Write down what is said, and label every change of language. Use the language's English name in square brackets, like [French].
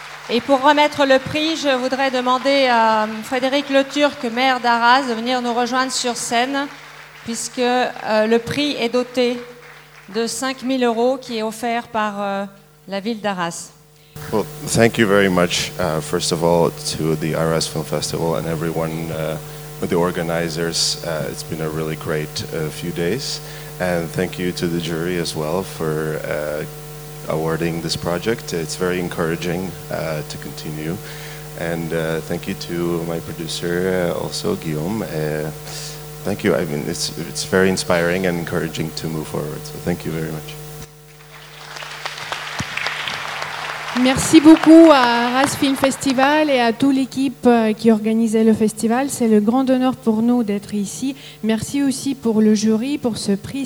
[French] Et pour remettre le prix, je voudrais demander à Frédéric Le Turc, maire d'Arras, de venir nous rejoindre sur scène, puisque le prix est doté de 5000 euros qui est offert par la ville d'Arras. [English] Well, thank you very much, first of all, to the Arras Film Festival and everyone with the organizers. It's been a really great few days. And thank you to the jury as well for awarding this project. It's very encouraging to continue. And thank you to my producer, also Guillaume. Thank you. I mean, it's very inspiring and encouraging to move forward. So thank you very much. [French] Merci beaucoup à Arras Film Festival et à toute l'équipe qui organisait le festival. C'est le grand honneur pour nous d'être ici. Merci aussi pour le jury, pour ce prix.